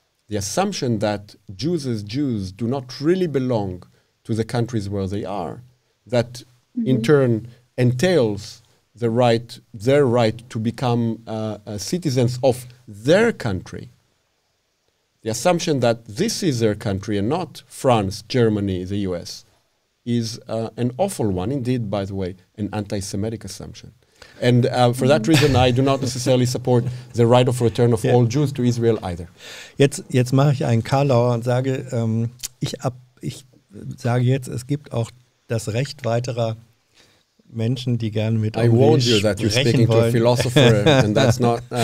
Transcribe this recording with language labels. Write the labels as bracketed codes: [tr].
[en] The assumption that Jews as Jews do not really belong to the countries where they are, that in turn entails the right, their right to become citizens of their country, the assumption that this is their country and not France, Germany, the US, is an awful one, indeed, by the way, an anti-Semitic assumption. And for that reason, I do not necessarily support the right of return of all Jews to Israel either. [de] Jetzt mache ich einen Karlauer und sage, ich sage jetzt, es gibt auch das Recht weiterer Menschen, die gerne mit Omri sprechen wollen. [en] I warned you that you're speaking to a philosopher and that's not...